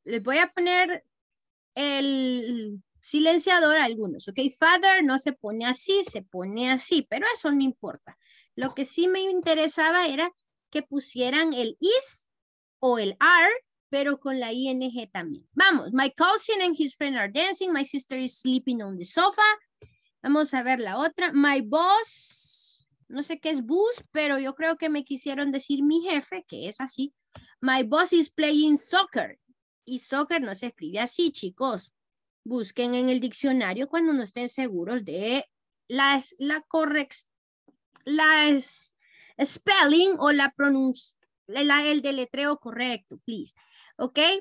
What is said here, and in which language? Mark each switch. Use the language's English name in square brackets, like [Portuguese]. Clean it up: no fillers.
[Spanish] Les voy a poner el silenciador a algunos, ok, father no se pone así, se pone así, pero eso no importa. Lo que sí me interesaba era que pusieran el is o el are, pero con la ing también. Vamos, [English] my cousin and his friend are dancing, my sister is sleeping on the sofa. [Spanish] Vamos a ver la otra, [English] my boss, [Spanish] no sé qué es boss, pero yo creo que me quisieron decir mi jefe, que es así. [English] My boss is playing soccer, [Spanish] y soccer no se escribe así, chicos. Busquen en el diccionario cuando no estén seguros de spelling o la pronunciación, el deletreo correcto, please. ¿Ok?